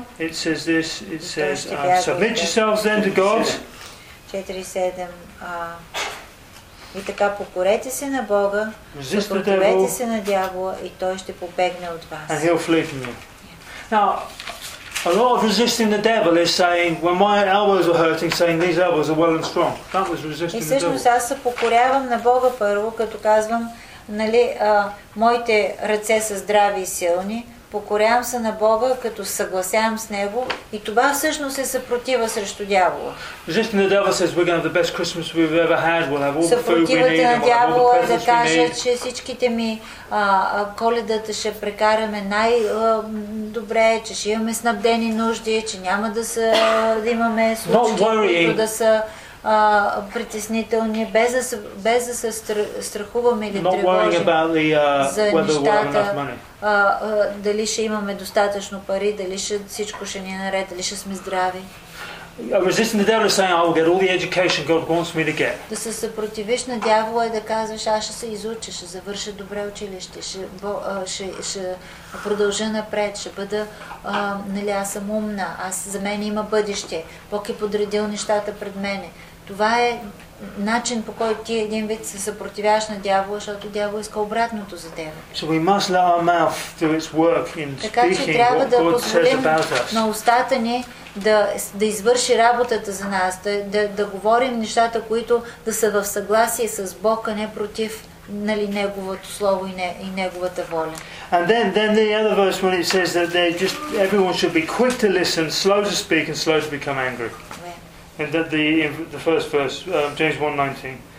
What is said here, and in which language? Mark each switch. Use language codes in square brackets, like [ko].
[en] It says, submit yourselves then to God. 4:7. [bg] И така покорете се на Бога, съпротивете се на дявола и той ще побегне от вас. [en] And he'll flee from you. Now, a lot of resisting the devil is saying, when my elbows are hurting, saying these elbows are well and strong. That was resisting the devil. [bg] И всъщност аз се покорявам на Бога първо, като казвам, нали, моите ръце са здрави и силни. Покорявам се на Бога, като съгласявам с Него. И това всъщност е съпротива срещу дявола. [en] Resisting the devil says we're going to have the best Christmas we've ever had. We'll have all the food we need. [bg] Съпротивата на дявола да кажа, че всичките ми Коледата ще прекараме най-добре, че ще имаме снабдени нужди, че няма да са, да имаме случки, които да са притеснителни, без да се страхуваме или тревожим за нещата. Дали ще имаме достатъчно пари, дали ще всичко ще ни е наред, дали ще сме здрави. [en] Resisting the devil is saying, I will get all the education God wants me to get. [bg] Да се съпротивиш на дявола и да казваш, аз ще се изуча, ще завърша добре училище, ще продължа напред, ще бъда, нали, аз съм умна, аз за мен има бъдеще, Бог е подредил нещата пред мене. Това е начин, по който ти един вид се съпротивяваш на дявола, защото дявол иска обратното за тебе. [en] So we must let our mouth do its work in speaking. [bg] Така че трябва да позволим на устата ни да извърши работата за нас, да говорим нещата, които да са в съгласие с Бог, а не против, нали, неговото слово и неговата воля. [en] And then the other verse when it says that they just everyone should be quick to listen, slow to speak and slow to become angry. And that the first verse, James 1:19.